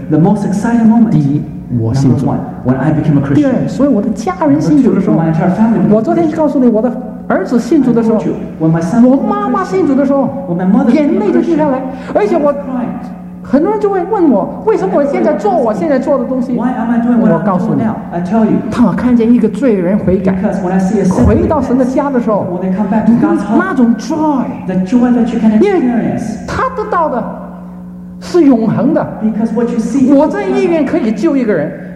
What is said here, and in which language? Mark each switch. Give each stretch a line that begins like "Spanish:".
English: the most exciting moment,
Chinese: 第一我信主
English: one, when I became a Christian,
Chinese: 第二所以我的家人信主的时候
English: two,
Chinese: 我昨天告诉你我的儿子信主的时候
English: you, when my son
Chinese: 我妈妈信主的时候
English: when my mother
Chinese: 眼泪就滴下来而且我很多人就会问我为什么我现在做我现在做的东西
English: Why am I doing what
Chinese: 我告诉你
English: I tell you,
Chinese: 他看见一个罪人悔改
English: because when I see a sinner,
Chinese: 回到神的家的时候
English: when they come back to God's home,
Chinese: 那种 joy,
English: the joy that you can experience,
Chinese: 因为他得到的是永恒的
English: Because what you see
Chinese: 我在医院可以救一个人